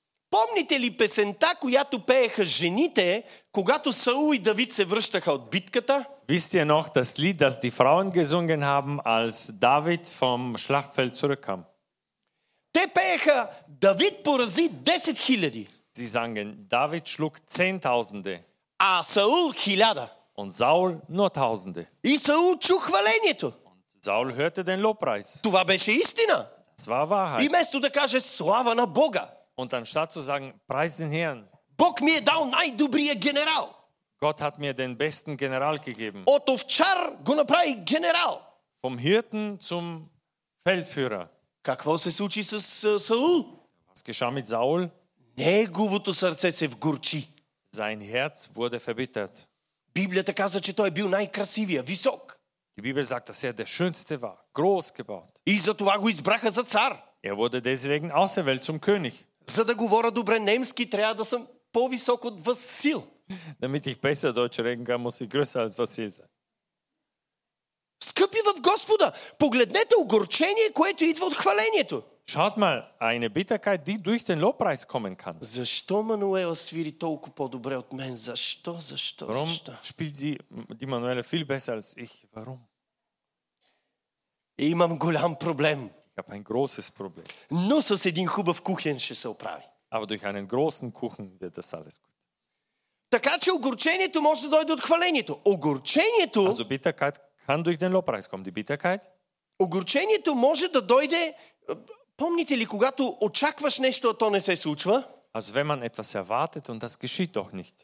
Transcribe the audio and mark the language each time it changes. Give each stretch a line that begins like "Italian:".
Bulgarian: Помните ли песента, която пееха жените, когато Саул и Давид се връщаха от битката?
German: Wisst ihr noch das Lied, das die Frauen gesungen haben, als David vom Schlachtfeld zurückkam?
Bulgarian: Те пееха: Давид порази 10 000.
German: Sie sangen: David schlug 10.000.
Bulgarian: А Саул 1000.
German: Und Saul nur Tausende.
Bulgarian: И Саул чу хвалението.
German: Und Saul hörte den Lobpreis.
Bulgarian: Това беше истина.
German: Das war Wahrheit.
Bulgarian: И вместо да каже слава на Бога.
German: Und anstatt zu sagen, preis den Herrn.
Bulgarian: Бог ми е дал най-добрия генерал.
German: Gott hat mir den besten General gegeben.
Bulgarian: От овчар го направи генерал.
German: Vom Hirten zum Feldführer.
Bulgarian: Какво се случи с Саул?
German: Was geschah mit Saul?
Bulgarian: Неговото сърце се вгорчи.
German: Sein Herz wurde verbittert.
Bulgarian: Библията каза, че той е бил най-красивия, висок.
German: Die Bibel sagt, dass er der Schönste war, groß gebaut.
Bulgarian: И затова го избраха за цар.
German: Er wurde deswegen auserwählt zum König.
Bulgarian: За да говоря добре немски, трябва да съм по-висок от Васил.
German: Damit ich besser Deutsch reden kann, muss ich größer als Васил sein.
Bulgarian: Скъпи в Господа, погледнете огорчение, което идва от хвалението.
German: Schaut mal, eine Bitterkeit, die durch den Lobpreis kommen kann.
Bulgarian: Защо Мануела свири толкова по-добре от мен? Защо?
German: Warum spielt sie die Manuela viel besser als ich? Warum?
Bulgarian: Имам голям проблем.
German: Ich habe ein großes Problem.
Bulgarian: Но с един хубав кухен ще се оправи.
German: Aber durch einen großen Kuchen wird das alles gut.
Bulgarian: Така че огорчението може да дойде от хвалението. Огорчението...
German: Also Bitterkeit kann durch den Lobpreis kommen. Die Bitterkeit...
Bulgarian: Огорчението може да дойде... Помните ли, когато очакваш нещо, а то не се случва?
German: Also wenn man etwas erwartet und das geschieht doch nicht.